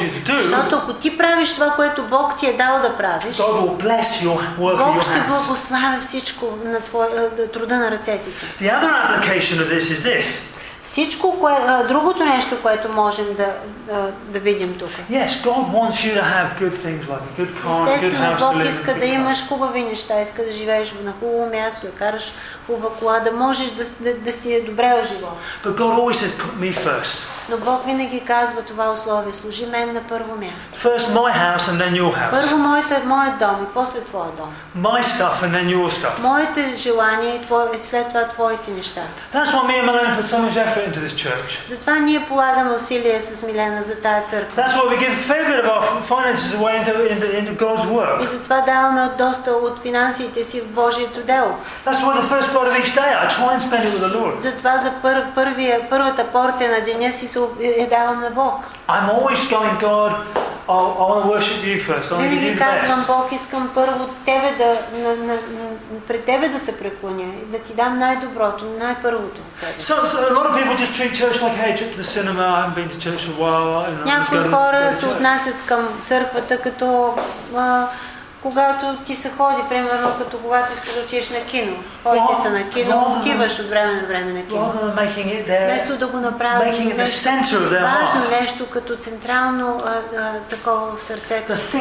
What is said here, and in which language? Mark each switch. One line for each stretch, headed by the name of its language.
Bulgarian: Защото ако ти правиш това, което Бог ти е дал да правиш, Бог ще благославя всичко на труда на ръцете ти.
English: The other application of this is this.
Bulgarian: Всичко, другото нещо, което можем да видим тук.
English: Yes, God wants you to have good things like a good car, good house.
Bulgarian: Естествено, Бог иска да имаш хубави неща, иска да живееш на хубаво място, да караш хубава кола, да можеш да си добре в живота.
English: But God always says, put me first.
Bulgarian: Но Бог винаги казва това условие, служи мен на първо място.
English: First my house and then your house.
Bulgarian: Първо моя дом и после твоя дом.
English: My stuff and then your stuff.
Bulgarian: Моите желания и след това твоите неща.
English: That's why me and Milena put so much effort into this church.
Bulgarian: Затова ние полагаме усилия с Милена за тая църква.
English: That's why we give a fair bit of our finances away into God's work.
Bulgarian: И затова даваме доста от финансите си в Божието дело.
English: That's why the first part of each day I try and spend it with the Lord.
Bulgarian: Затова за първата порция на деня си я давам на Бог.
English: I'm always going, God, I want to worship you first. I'm going to give you the best.
Bulgarian: Винаги първо тебе да пред тебе да се преклоня и да ти дам най-доброто, най-първото.
English: So a lot of people just treat church like, hey, trip to the cinema. I haven't been to church for a while.
Bulgarian: Някои хора се отнасят към църквата като когато ти се ходи, примерно, като когато искаш да отидеш на кино. Ходите се на кино, отиваш от време на време на кино. Вместо да го направиш нещо важно, нещо като централно такова в сърцето.